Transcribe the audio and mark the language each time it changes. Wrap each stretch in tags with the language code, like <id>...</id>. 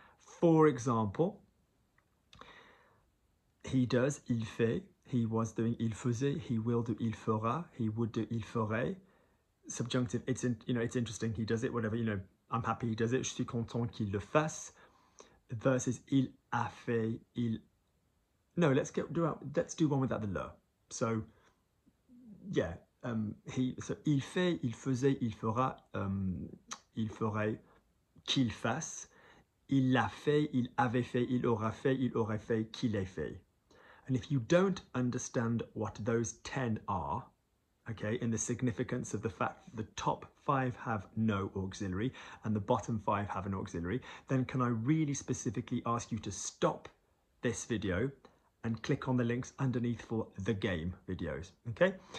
<en>For example, he does,</en> <fr>il fait,</fr> <en>he was doing,</en> <fr>il faisait,</fr> <en>he will do,</en> <fr>il fera,</fr> <en>he would do,</en> <fr>il ferait.</fr> <en>Subjunctive, it's in, you know, it's interesting, he does it, whatever, you know, I'm happy he does it,</en> <fr>je suis content qu'il le fasse,</fr> <en>versus</en> <fr>il a fait, il...</fr> <en>No, let's do one without the le. So, yeah,</en> <fr>il fait, il faisait, il fera, il ferait, qu'il fasse, il l'a fait, il avait fait, il aurait fait, qu'il ait fait.</fr> <en>And if you don't understand what those 10 are, okay, in the significance of the fact that the top 5 have no auxiliary and the bottom 5 have an auxiliary, then can I really specifically ask you to stop this video and click on the links underneath for The Game videos, okay?</en>